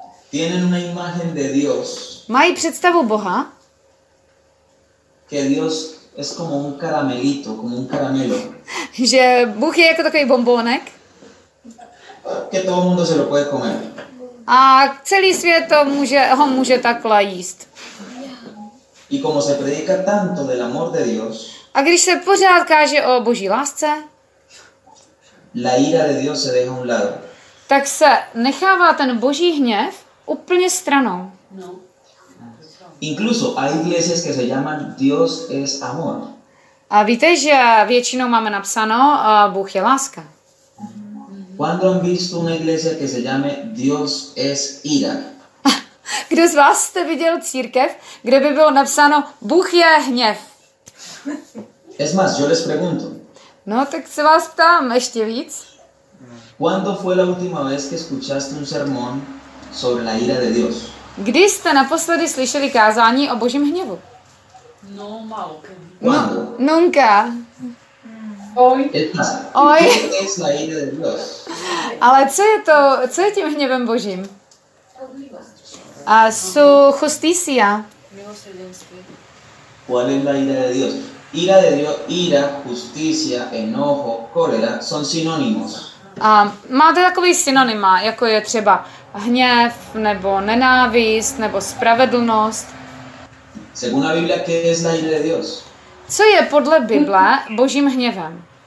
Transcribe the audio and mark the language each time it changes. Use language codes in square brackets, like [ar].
[es] tienen una imagen de Dios, [cs] mají představu Boha, [es] que Dios es como un caramelito, como un caramelo. [cs] Že Bůh je jako takový bombónek, [es] que todo mundo se lo puede comer. [cs] A celý svět ho může takhle jíst. [es] Y como se predica tanto del amor de Dios, [cs] a když se pořád káže o Boží lásce, [es] la ira de Dios se deja a un lado. [cs] tak se nechává ten boží hněv úplně stranou. [es] Incluso hay iglesias que se llaman Dios es amor. [cs] A víte, že většinou máme napsáno Bůh je láska. [es] ¿Cuándo han visto una iglesia que se llame Dios es ira? [cs] Kdo z vás jste viděl církev, kde by bylo napsáno Bůh je hněv? [es] Es más, yo les pregunto. [cs] No, tak se vás ptám ještě víc. [es] ¿Cuándo fue la última vez que escuchaste un sermón sobre la ira de Dios? [cs] Kdy jste naposledy slyšeli kázání o Božím hněvu? No, málo. [es] ¿Cuándo? Nunca. Hoy. Hoy. ¿Qué es la ira de Dios? [cs] Ale co je to, co je tím hněvem Božím? [es] A su justicia. ¿Cuál es la ira de Dios? Ira de Dios, ira, justicia, enojo, cólera, son sinónimos. [cs] Má to takový synonyma, jako je třeba hněv, nebo nenávist, nebo spravedlnost. [es] Según la Biblia, ¿qué es la ira de Dios? [cs] Co je podle Bible Božím hněvem?